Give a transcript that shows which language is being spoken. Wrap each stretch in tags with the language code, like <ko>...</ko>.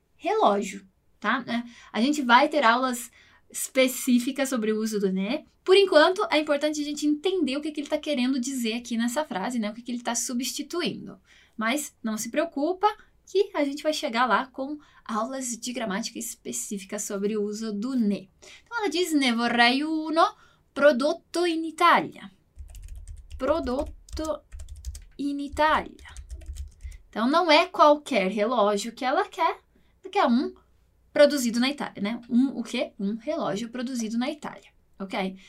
<pt>Relógio, tá? A gente vai ter aulas específicas sobre o uso do ne. Por enquanto, é importante a gente entender o que ele tá querendo dizer aqui nessa frase, né? O que ele tá substituindo. Mas não se preocupa, que a gente vai chegar lá com aulas de gramática específica sobre o uso do ne. Então, ela diz,</pt> <it>ne vorrei uno prodotto in Italia. Prodotto in Italia.</it> <pt>Então, não é qualquer relógio que ela quer, porque é um produzido na Itália, né? Um o quê? Um relógio produzido na Itália, ok?</pt>